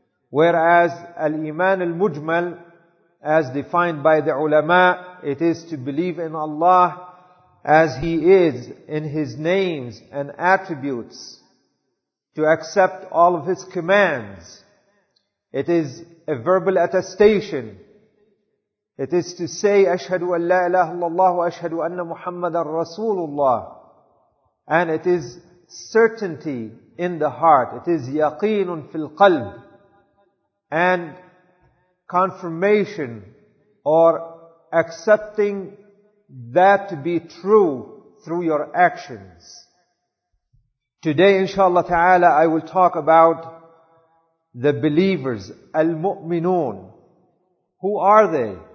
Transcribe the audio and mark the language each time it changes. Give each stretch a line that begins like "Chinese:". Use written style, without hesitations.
English: Whereas al-iman al-mujmal, as defined by the ulama, it is to believe in Allah as He is, in His names and attributes, to accept all of His commands. It is a verbal attestation. It is to say,
Arabic: أشهد أن لا إله إلا الله وأشهد أن محمد رسول الله.
English: And it is certainty in the heart. It is
Arabic: يقين في القلب.
English: And confirmation or accepting that to be true through your actions. Today, inshallah ta'ala, I will talk about the believers, المؤمنون. Who are they?